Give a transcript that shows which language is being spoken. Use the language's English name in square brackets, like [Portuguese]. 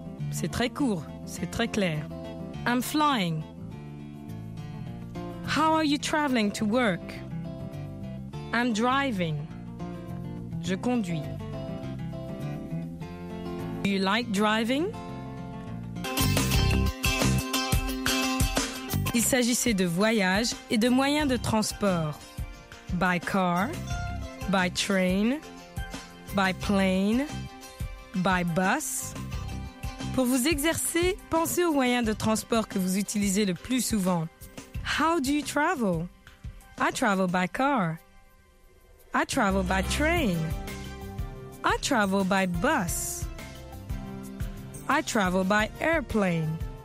[French] C'est très court, c'est très clair. [English] I'm flying. How are you traveling to work? I'm driving. [French] Je conduis. [English] Do you like driving? [French] Il s'agissait de voyage et de moyens de transport. [English] By car, by train, by plane, by bus. [French] Pour vous exercer, pensez aux moyens de transport que vous utilisez le plus souvent. [English] How do you travel? I travel by car. I travel by train. I travel by bus. I travel by airplane.